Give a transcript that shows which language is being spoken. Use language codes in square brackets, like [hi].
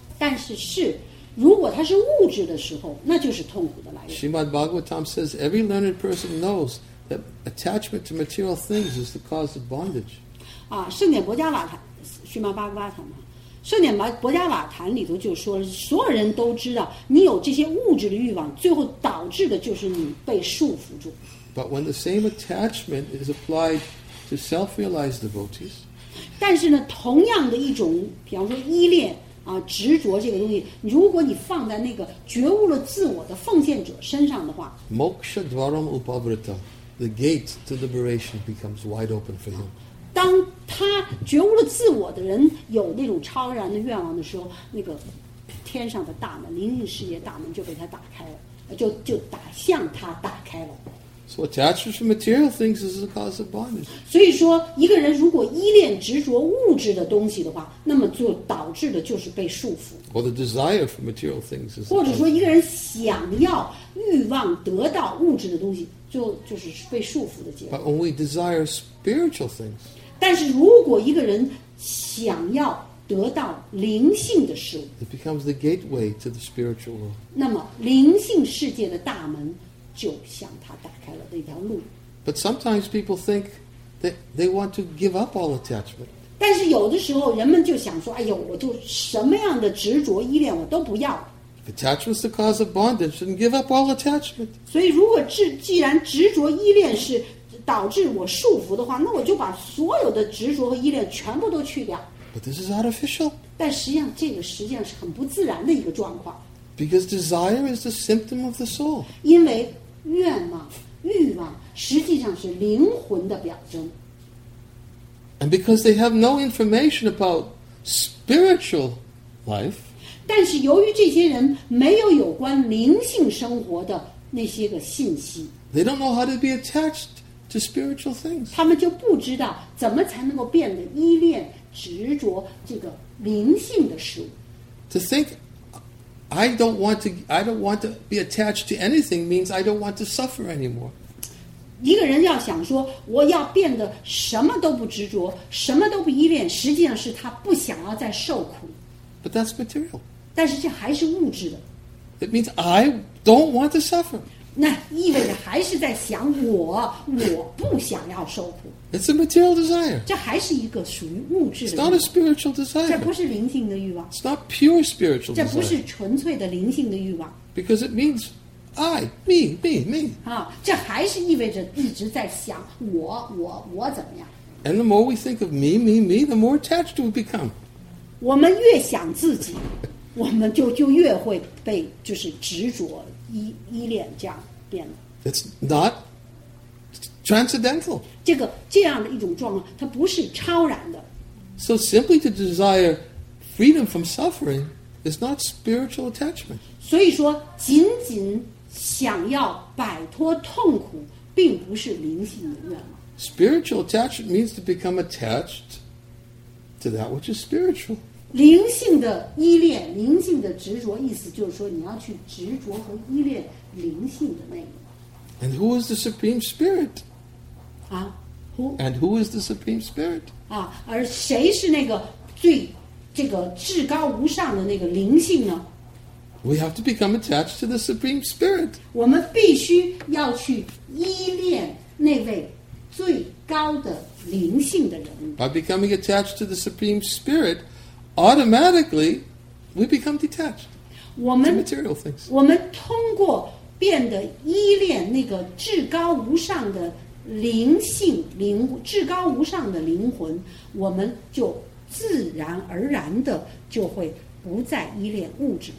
[zh] 但是是，如果它是物质的时候，那就是痛苦的来源。 [en] Srimad Bhagavatam says every learned person knows that attachment to material things is the cause of bondage. [zh] 啊，圣典伯加瓦坦，须曼巴格瓦坦嘛。圣典伯加瓦坛里头就说了，所有人都知道，你有这些物质的欲望，最后导致的就是你被束缚住。 [en] But when the same attachment is applied to self-realized devotees, [zh] 但是呢，同样的一种，比方说依恋啊，执着这个东西，如果你放在那个觉悟了自我的奉献者身上的话， [sa] Moksha dvaram upavrita, [en] the gate to liberation becomes wide open for him. [zh] 当他觉悟了自我的人有那种超然的愿望的时候，那个天上的大门、灵性世界大门就被他打开了，就打向他打开了。 [en] So attachment to material things is the cause of bondage. [zh] 所以说，一个人如果依恋执着物质的东西的话，那么就导致的就是被束缚。 [en] Or the desire for material things is. [zh] 或者说，一个人想要欲望得到物质的东西，就是被束缚的结果。 [en] But when we desire spiritual things. [zh] 但是如果一个人想要得到灵性的事物， [en] it becomes the gateway to the spiritual world. [zh] 那么灵性世界的大门。就向他打开了那条路。 [en] But sometimes people think that they want to give up all attachment. [zh] 但是有的时候人们就想说，哎呦，我就什么样的执着依恋我都不要。 [en] If attachment is the cause of bondage, then give up all attachment. [zh] 所以如果既然执着依恋是导致我束缚的话，那我就把所有的执着和依恋全部都去掉。 [en] But this is artificial. [zh] 但实际上这个实际上是很不自然的一个状况。 [en] Because desire is the symptom of the soul. [zh] 因为愿望、欲望实际上是灵魂的表征。 [en] And because they have no information about spiritual life. [zh] 但是由于这些人没有有关灵性生活的那些个信息。 [en] They don't know how to be attached to spiritual things. [zh] 他们就不知道怎么才能够变得依恋、执着这个灵性的事物。 [en] To think. I don't want to be attached to anything means I don't want to suffer anymore. [zh] 一个人要想说我要变得什么都不执着，什么都不依恋，实际上是他不想要再受苦。 [en] But that's material. [zh] 但是这还是物质的。 [en] It means I don't want to suffer. [zh] 那意味着还是在想我不想要受苦。 [en] It's a material desire. [zh] 这还是一个属于物质的。 [en] It's not a spiritual desire. [zh] 这不是灵性的欲望。 [en] It's not pure spiritual desire. [zh] 这不是纯粹的灵性的欲望。 [en] Because it means I, me, me, me. [zh] 啊，这还是意味着一直在想我怎么样。 [en] And the more we think of me, me, me, the more attached we become. [zh] 我们越想自己，我们就越会被就是执着依恋这样变了。 [en] It's not. Transcendental. [zh] 这样的一种状况，它不是超然的。 [en] So simply to desire freedom from suffering is not spiritual attachment. [zh] 所以说，仅仅想要摆脱痛苦，并不是灵性的愿望。 [en] Spiritual attachment means to become attached to that which is spiritual. [zh] 灵性的依恋，灵性的执着，意思就是说，你要去执着和依恋灵性的内容。 [en] And who is the Supreme Spirit? Ah, who? And who is the Supreme Spirit? [zh] Ah, 而谁是那个最这个至高无上的那个灵性呢？ [en] We have to become attached to the Supreme Spirit. [zh] 我们必须要去依恋那位最高的灵性的人。 [en] By becoming attached to the Supreme Spirit, automatically we become detached from material things. [zh] 我们通过变得依恋那个至高无上的灵性灵至高无上的灵魂，我们就自然而然的就会不再依恋物质。